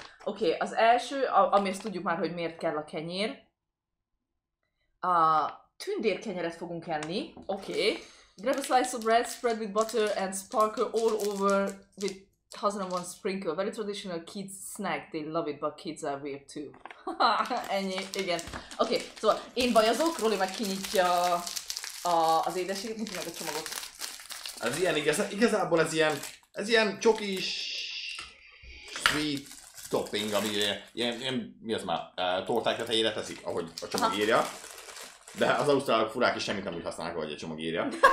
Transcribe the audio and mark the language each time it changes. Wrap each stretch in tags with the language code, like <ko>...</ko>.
<hu>Oké, az első, ami ezt tudjuk már, hogy miért kell a kenyér. A tündérkenyeret fogunk enni. Oké. Okay.</hu> <en>Grab a slice of bread, spread with butter and sparkle all over with 1001 sprinkle. Very traditional kids snack. They love it, but kids are weird too.</en> <hu>Ennyi. Igen. Oké. Okay. Szóval én bajozok. Roli meg kinyitja az édeséget. Nyitja meg a csomagot. Ez ilyen igazából ez ilyen csokis</hu> <en>sweet topping,</en> <hu>ami ilyen mi az már? Torták tetejére teszik, ahogy a csomag írja. De az ausztrálok furák is semmit nem úgy használnak, ahogy a csomag írja.</hu>